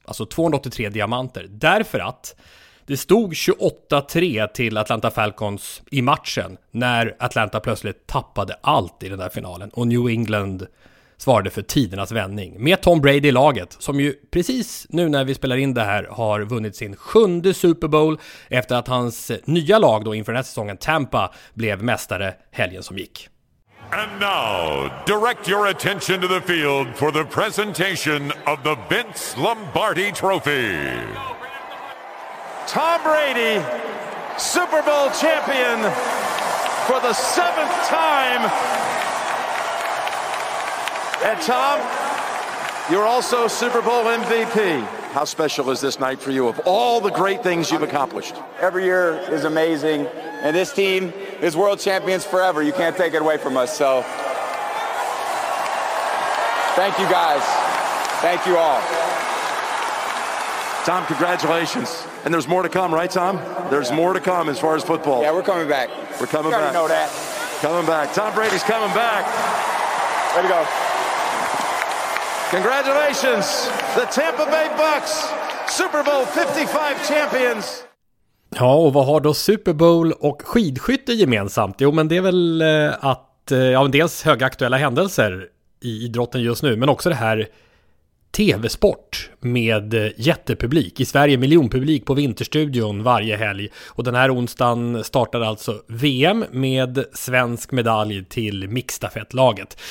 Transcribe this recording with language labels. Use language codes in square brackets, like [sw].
[sv] Alltså 283 diamanter. Därför att det stod 28-3 till Atlanta Falcons i matchen när Atlanta plötsligt tappade allt i den där finalen. Och New England svarade för tidernas vändning med Tom Brady i laget, som ju precis nu när vi spelar in det här har vunnit sin sjunde Super Bowl efter att hans nya lag då inför den här säsongen, Tampa, blev mästare helgen som gick. [en] And now, direct your attention to the field for the presentation of the Vince Lombardi Trophy. Tom Brady, Super Bowl champion for the 7th time. And Tom, you're also Super Bowl MVP. How special is this night for you of all the great things you've accomplished? Every year is amazing, and this team is world champions forever. You can't take it away from us, so thank you guys. Thank you all. Tom, congratulations. And there's more to come, right, Tom? There's more to come as far as football. Yeah, we're coming back. We're coming back. You already know that. Coming back. Tom Brady's coming back. Way to go. Congratulations. The Tampa Bay Bucks, Super Bowl 55 champions. [sv] Ja, och vad har då Super Bowl och skidskytte gemensamt? Jo, men det är väl att, ja, dels högaktuella händelser i idrotten just nu, men också det här TV-sport med jättepublik. I Sverige miljonpublik på Vinterstudion varje helg. Och den här onsdagen startade alltså VM med svensk medalj till mixstafettlaget.